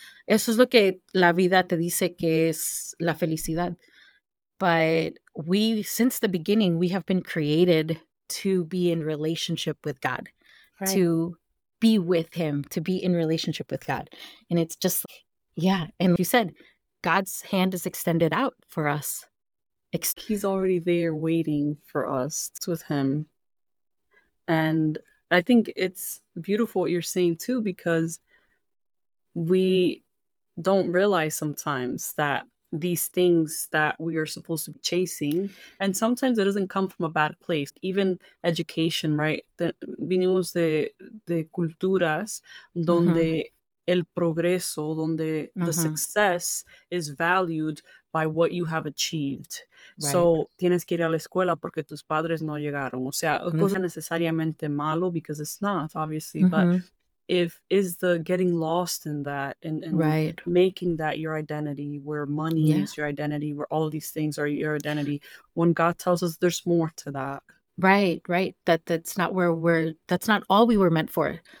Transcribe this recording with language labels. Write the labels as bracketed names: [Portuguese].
[Spanish] Eso es lo que la vida te dice que es la felicidad. [English] But we, since the beginning, we have been created to be in relationship with God, to be with him, to be in relationship with God. And it's just, and you said, God's hand is extended out for us. He's already there waiting for us. It's with him. And I think it's beautiful what you're saying too, because we don't realize sometimes that these things that we are supposed to be chasing, and sometimes it doesn't come from a bad place. Even education, right? [Spanish] Venimos de culturas donde el progreso, donde [English] the success is valued by what you have achieved. [Spanish] So tienes que ir a la escuela porque tus padres no llegaron. O sea, no es necesariamente malo, [English] because it's not, obviously, but if is the getting lost in that and making that your identity, where money is your identity, where all of these things are your identity, when God tells us there's more to that. That's not where we're, that's not all we were meant for.